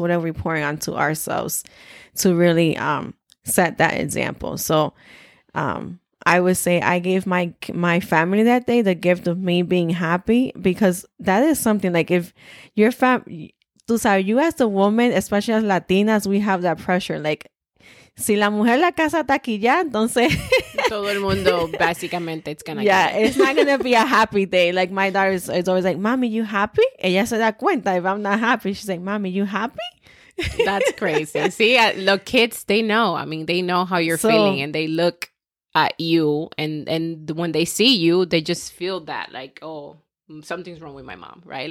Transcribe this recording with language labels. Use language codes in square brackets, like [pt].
[en] What are we pouring onto ourselves to really set that example? So I would say I gave my family that day the gift of me being happy, because that is something like if your you as a woman, especially as Latinas, we have that pressure. [es] Like, si la mujer la casa está aquí ya, entonces... Todo el mundo, básicamente, [en] it's gonna get it. It's not gonna be a happy day. Like, my daughter is always like, mommy, you happy? [es] Ella se da cuenta [en] if I'm not happy. She's like, mommy, you happy? That's crazy. See, the kids, they know. I mean, they know how you're feeling and they look at you. And when they see you, they just feel that, like, oh, something's wrong with my mom, right?